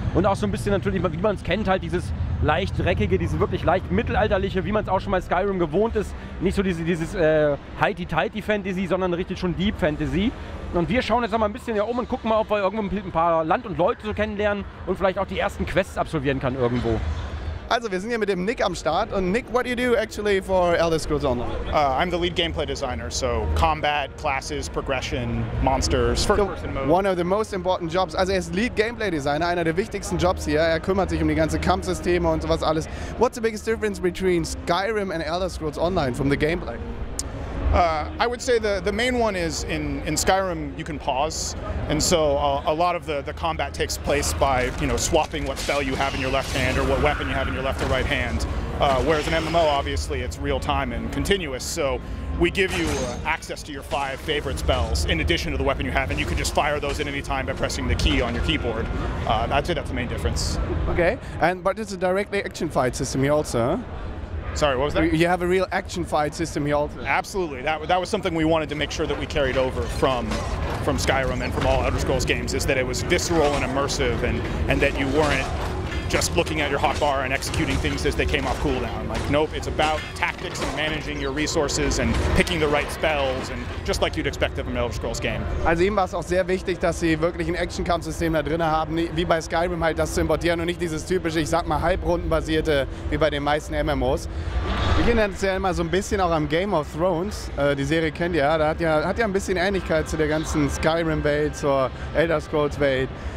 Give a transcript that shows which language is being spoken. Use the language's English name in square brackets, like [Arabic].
[German] Und auch so ein bisschen natürlich, wie man es kennt, halt dieses leicht dreckige, dieses wirklich leicht mittelalterliche, wie man es auch schon bei Skyrim gewohnt ist. Nicht so dieses Heidi-Tighty-Fantasy, sondern richtig schon Deep-Fantasy. Und wir schauen jetzt mal ein bisschen hier um und gucken mal, ob wir irgendwo ein paar Land und Leute so kennenlernen und vielleicht auch die ersten Quests absolvieren kann irgendwo. Also, wir sind hier mit dem Nick am Start. [English] Und Nick, what do you do actually for Elder Scrolls Online? I'm the lead gameplay designer, so combat, classes, progression, monsters, first person mode. One of the most important jobs. [German] Also, er ist lead gameplay designer, einer der wichtigsten Jobs hier. Er kümmert sich um die ganze Kampfsysteme und sowas alles. [English] What's the biggest difference between Skyrim and Elder Scrolls Online from the gameplay? I would say the main one is in Skyrim you can pause, and so a lot of the combat takes place by, you know, swapping what spell you have in your left hand or what weapon you have in your left or right hand. Whereas in MMO, obviously, it's real time and continuous, so we give you access to your five favorite spells in addition to the weapon you have, and you can just fire those at any time by pressing the key on your keyboard. I'd say that's the main difference. Okay, but it's a directly action fight system here also, huh? Sorry, what was that? You have a real action fight system here also. Absolutely. That was something we wanted to make sure that we carried over from Skyrim and from all Elder Scrolls games, is that it was visceral and immersive, and that you weren't just looking at your hotbar and executing things as they came off cooldown. Like, nope, it's about tactics and managing your resources and picking the right spells, and just like you'd expect of an Elder Scrolls game. [German] Also eben war es auch sehr wichtig, dass sie wirklich ein Action-Kampfsystem da drin haben, wie bei Skyrim halt das zu importieren und nicht dieses typische, ich sag mal, halbrundenbasierte, wie bei den meisten MMOs. Wir kennen es ja immer so ein bisschen auch am Game of Thrones. Die Serie kennt ihr ja, da hat ja ein bisschen Ähnlichkeit zu der ganzen Skyrim-Welt, zur Elder Scrolls-Welt.